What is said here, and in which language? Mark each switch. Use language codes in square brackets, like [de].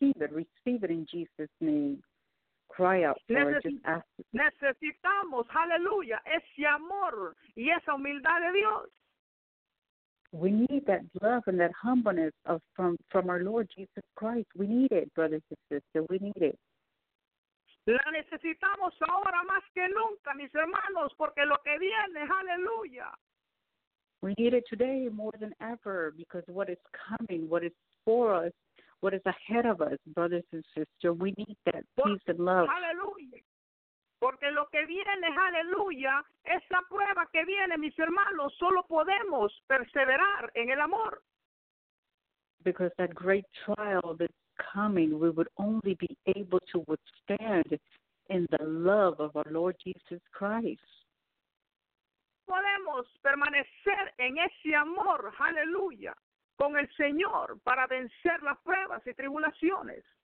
[en] Receive it in Jesus' name. Cry out for [es] Necesitamos, aleluya, ese amor y esa humildad de Dios. [en] We need that love and that humbleness of from our Lord Jesus Christ. We need it, brothers and sisters. We need it. [es] La necesitamos ahora más que nunca, mis hermanos, porque lo que viene, aleluya. [en] We need it today more than ever because what is coming, what is for us, what is ahead of us, brothers and sisters, we need that peace and love. [es] Aleluya. Porque lo que viene, aleluya, esa prueba que viene, mis hermanos, solo podemos perseverar en el amor. [en] Because that great trial that's coming, we would only be able to withstand in the love of our Lord Jesus Christ. [es] Podemos permanecer en ese amor, aleluya, con el Señor para vencer las pruebas y tribulaciones.